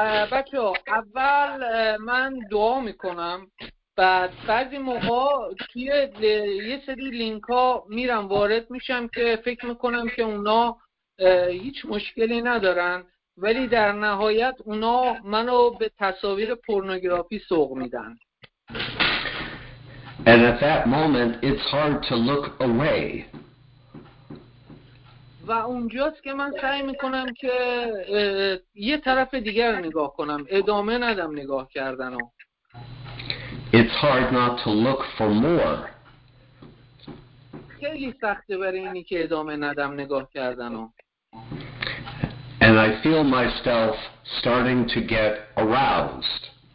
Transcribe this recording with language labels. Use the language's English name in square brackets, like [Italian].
[Persian] بچه ها اول من دعا میکنم بعد بعضی موقع توی یه سری لینک ها میرم وارد میشم که فکر میکنم که اونا هیچ مشکلی ندارن ولی در نهایت اونا منو به تصاویر پورنوگرافی سوق میدن. [English] And at that moment it's hard to look away. [Persian] و اونجاست که من سعی میکنم که یه طرف دیگر نگاه کنم، ادامه ندم نگاه کردنو. [English] It's hard not to look for more. [Persian] خیلی سخته برای اینی که ادامه ندم نگاه کردنو. [English] And I feel myself starting to get aroused.